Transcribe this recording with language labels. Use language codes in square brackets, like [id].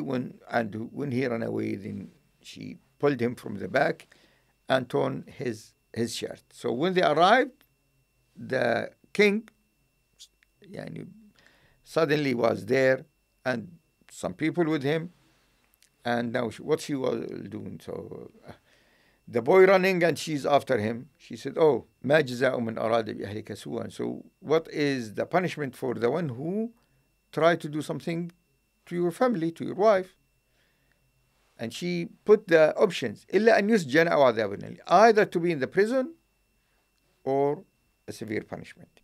[en] When he ran away, then she pulled him from the back and torn his shirt. So when they arrived, the king, yani, suddenly was there, and some people with him. And now what she was doing, so the boy running and she's after him. She said, oh, [ar] مَا جَزَاءُ مَنْ أَرَادَ بِأَهْلِكَ سُوًا. [en] So what is the punishment for the one who tried to do something to your family, to your wife? And she put the options, [ar] إِلَّا أَنْ يُسْجَنَ أَوْ عَذَابٌ أَلِيمٌ, [en] either to be in the prison or a severe punishment.